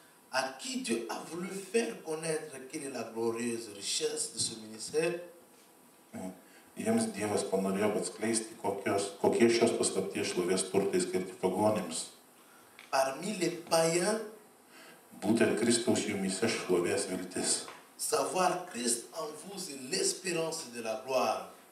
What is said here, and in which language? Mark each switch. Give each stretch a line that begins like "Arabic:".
French: à qui Dieu a voulu faire connaître quelle est la glorieuse richesse de ce ministère.
Lithuanian: Jiems Dievas panorėjo atskleisti kokie šios paslapties šlovės turtai skirti pagonims.
French: Parmi les païens,
Lithuanian: būtent Kristaus jumyse šlovės viltis.
French: Savoir Christ en vous est l'espérance de la gloire.